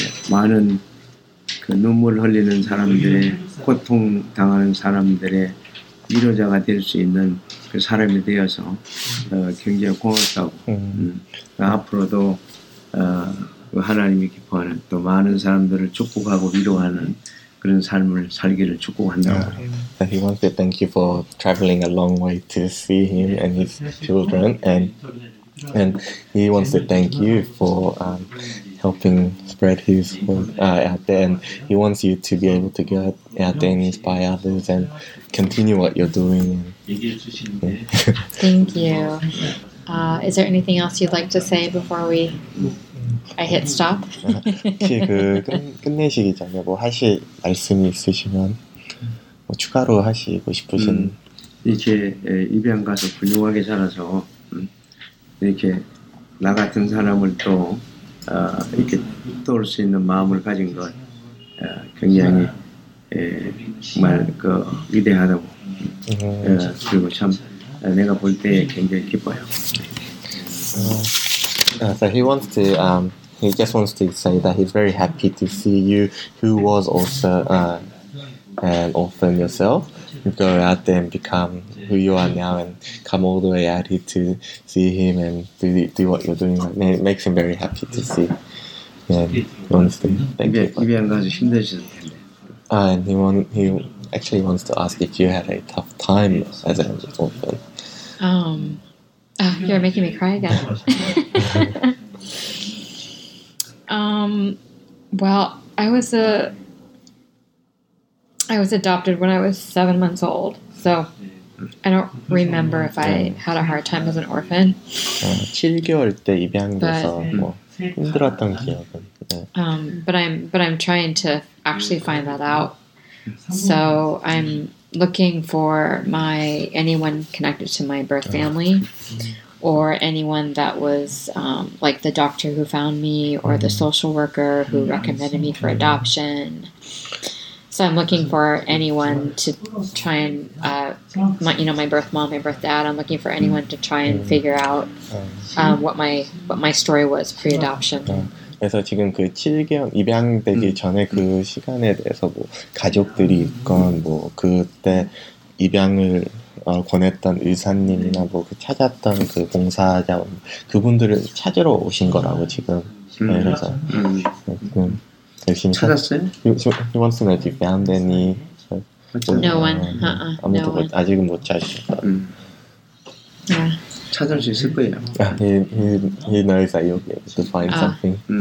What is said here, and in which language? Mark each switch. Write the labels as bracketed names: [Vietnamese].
[Korean] 많은 그 눈물 흘리는 사람들의 고통 당하는 사람들의 위로자가 될 수 있는 그 사람이 되어서 굉장히 고맙다고 앞으로도 하나님이 기뻐하는 또 많은 사람들을 축복하고 위로하는 그런 삶을 살기를 축복한다고 [English] He wants to thank you for traveling a long way to see him and his children and he wants to thank you for helping spread his word out there and he wants you to be able to go out there and inspire others and continue what you're doing Thank you Is there anything else you'd like to say before we I hit stop? [Korean] 혹시 끝내시기 전에 뭐 하실 말씀이 있으시면 뭐 추가로 하시고 싶으신 이제 입양 가서 훌륭하게 자라서 이렇게 나 같은 사람을 또 이렇게 도울 수 있는 마음을 가진 건 굉장히 정말 그 위대하다고 그리고 참 내가 볼 때 굉장히 기뻐요. [English] So he wants to he just wants to say that he's very happy to see you who was also an orphan yourself go out there and become who you are now and come all the way out here to see him and do what you're doing and it makes him very happy to see yeah honestly thank you and he actually wants to ask if you had a tough time as an orphan you're making me cry again Well, I was adopted when I was 7 months old, so I don't remember if I had a hard time as an orphan. [Korean] 7개월 때 입양돼서 뭐 힘들었던 기억은. [English] But I'm trying to actually find that out. So I'm looking for anyone connected to my birth family, or anyone that was like the doctor who found me, or the social worker who recommended me for adoption. So I'm looking for anyone to try and, my birth mom, my birth dad. I'm looking for anyone to try and figure out what my story was pre-adoption. [Korean] 그래서 지금 그 7개월 입양되기 전에 그 시간에 대해서 뭐 가족들이 있건 뭐 그때 입양을 권했던 의사님이나 뭐 그 찾았던 그 봉사자 그분들을 찾으러 오신 거라고 지금 그래서 지금 열심히 찾았어요? [English] He wants to know if you found any. No one. Uh-uh. [Korean] 아무도 [English] no one. [Korean] 아직은 못 찾으셨어요. [English] He knows that you'll be able to find something.